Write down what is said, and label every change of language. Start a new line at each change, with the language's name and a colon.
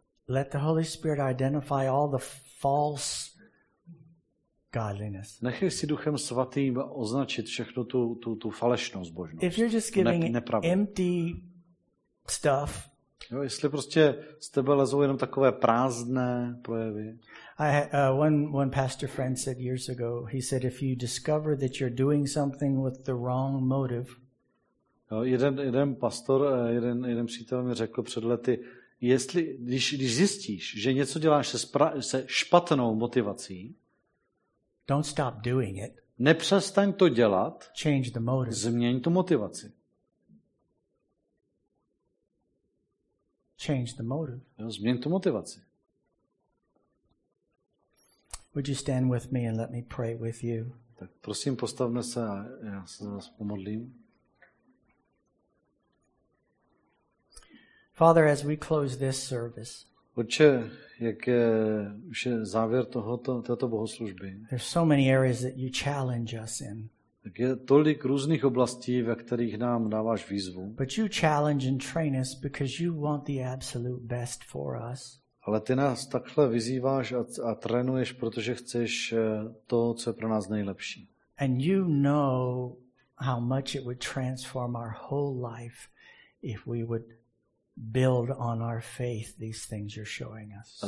English: Let the Holy Spirit identify all the false godliness.
Czech: Nechej si Duchem Svatým označit všechno tu falešnou zbožnost.
English: If you're just giving empty stuff.
Czech: Jo, jestli prostě z tebe lezou jenom takové prázdné projevy.
English: One pastor friend said years ago, he said if you discover that you're doing something with the wrong motive.
Czech: Jeden přítel mi řekl před lety, když zjistíš, že něco děláš se špatnou motivací,
English: don't stop doing it.
Czech: Nepřestaň to dělat.
English: Change the motive.
Czech: Změň tu motivaci.
English: Change the motive.
Czech: Jo, změň tu motivaci.
English: Would you stand with me and let me pray with you?
Czech: Tak prosím, postavme se a já se za vás pomodlím.
English: Father, as we close this service.
Czech: Otče, jak už je závěr této bohoslužby.
English: There's so many areas that you challenge us in.
Czech: Tak je tolik různých oblastí, ve kterých nám dáváš výzvu.
English: But you challenge and train us because you want the absolute best for us.
Czech: Ale ty nás takhle vyzýváš a trénuješ, protože chceš to, co je pro nás nejlepší.
English: And you know how much it would transform our whole life if we would build on our faith these things you're showing us.